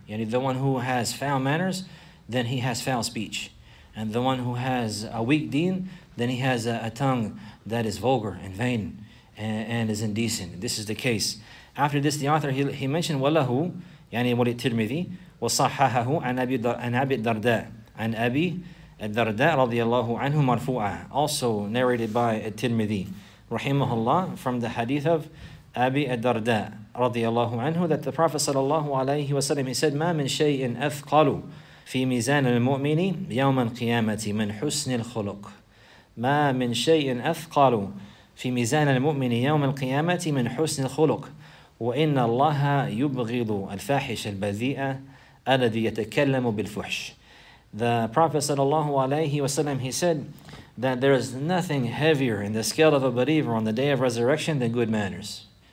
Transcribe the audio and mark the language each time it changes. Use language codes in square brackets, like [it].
[en] Yani the one who has foul manners, then he has foul speech. And the one who has a weak deen, then he has a tongue that is vulgar and vain and is indecent. This is the case. After this, the author, he mentioned, [ar] وَلَهُ يَعْنِي وَلِي تِرْمِذِي وَصَحَّحَهُ عَنْ أَبِي الدَّرْدَى عَنْ أَبِي الدَّرْدَى رَضِيَ اللَّهُ عَنْهُ مَرْفُوعًا [en] Also narrated by al-Tirmidhi, [ar] رحمه الله, [en] from the hadith of [ar] أبي الدرداء رضي الله عنه, [en] that the Prophet [ar] صلى الله عليه وسلم, he said, مَا مِن شَيْءٍ أَثْقَلُ في ميزان المؤمن يوم القيامة من حسن الخلق ما من شيء أثقل في ميزان المؤمن يوم القيامة من حسن الخلق وإن الله يبغض الفاحش البذيء الذي يتكلم بالفحش. [en] The Prophet sallallahu alayhi wasallam, he said that there is nothing heavier in the scale of a believer on the day of resurrection than good manners.